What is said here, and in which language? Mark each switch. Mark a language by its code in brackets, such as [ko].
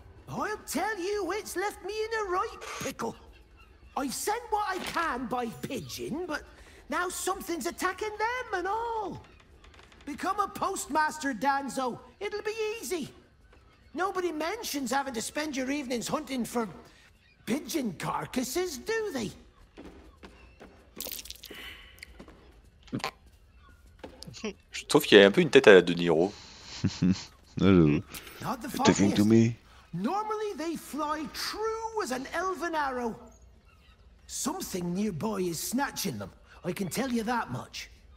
[en] I'll tell you, it's left me in a right pickle. I've sent what I can by pigeon, but now something's attacking them and all. Become a postmaster, Danzo. It'll be easy. Nobody mentions having to spend your evenings hunting for pigeon carcasses, do they? [fr] Je trouve qu'il y a un peu une tête à la De Niro. [en] Normally they fly true as an elven arrow. Something nearby is snatching them. I can tell you that much.